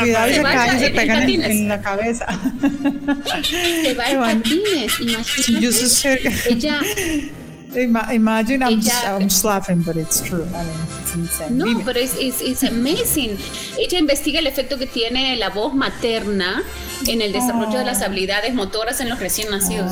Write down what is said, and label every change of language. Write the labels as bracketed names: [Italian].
[Spanish] cuidado, se caen y se pegan en la cabeza. Se va en patines, imagínate. [English] I'm slapping, but it's true. I mean, it's insane. [Spanish] No, pero [English] it's amazing. [Spanish] Ella investiga el efecto que tiene la voz materna en el desarrollo de las habilidades motoras en los recién nacidos.